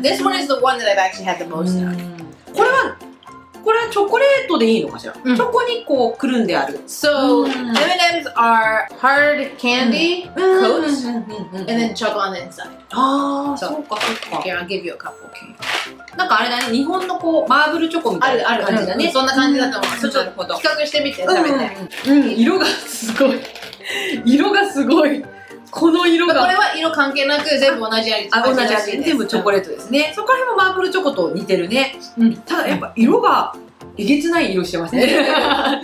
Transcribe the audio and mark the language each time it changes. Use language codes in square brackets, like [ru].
[en] This one is the one that I've actually had the most of. [ja] これはチョコレートでいいのかしら？チョコにこうくるんである。 [en] So, M&M's are hard candy coat and then chocolate on the inside. [ja] ああ、そうかそうか。 [en] Here, I'll give you a cup, okay. [ja] なんかあれだね、日本のこうマーブルチョコみたいな感じだね。そんな感じだと思う。そうちょっと比較してみて、食べて。うん、色がすごい。色がすごい。この色が。これは色関係なく全部同じ味。あ、同じ味。全部チョコレートですね。そこら辺もマーブルチョコと似てるね。ただやっぱ色がえげつない色してますね。